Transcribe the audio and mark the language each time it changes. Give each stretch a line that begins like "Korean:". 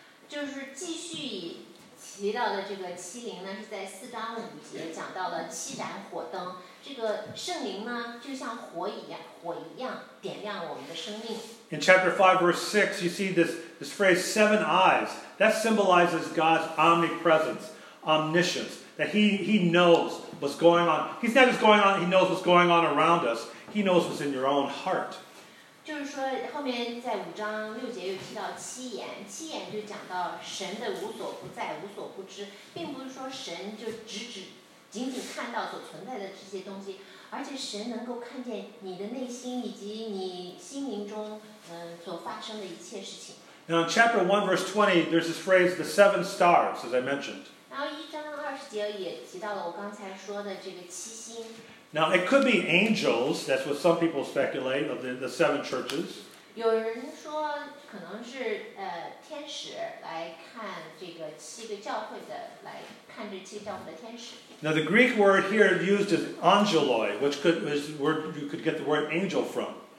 Chinese: 就是继续提到的这个七灵呢，是在四章五节讲到了七盏火灯。这个圣灵呢，就像火一样点亮我们的生命。
English: In chapter 5, verse 6, you see this phrase, seven eyes. That symbolizes God's omnipresence, omniscience. That he knows what's going on. He's not just going on, he knows what's going on around us. He knows what's in your own heart.
Chinese: 就是说，后面在五章六节又提到七眼，七眼就讲到神的无所不在、无所不知，并不是说神就仅仅看到所存在的这些东西，而且神能够看见你的内心以及你心灵中所发生的一切事情。
English: Now, in chapter 1, verse 20, there's this phrase, the seven stars, as I mentioned.
Chinese: 然后一章二十节也提到了我刚才说的这个七星。
English: Now, it could be angels, that's what some people speculate, of the seven churches.
Chinese: 有人说可能是天使来看这个七个教会的，来看这七个教会的天使。
English: Now, the Greek word here used is angeloi, which is where you could get the word angel from.